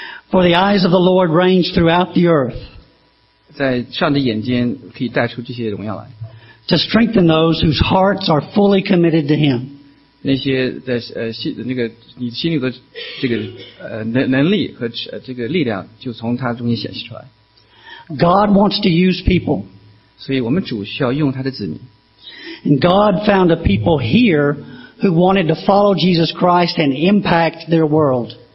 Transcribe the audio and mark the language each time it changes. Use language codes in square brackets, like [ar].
[en] For the eyes of the Lord range throughout the earth. [zh] 在上帝眼间可以带出这些荣耀来。 [en] To strengthen those whose hearts are fully committed to Him. [zh] 那些在你心里的能力和力量就从他中间显示出来。 [en] God wants to use people. [zh] 所以我们主需要用他的子民。 [en] And God found a people here who wanted to follow Jesus Christ and impact their world.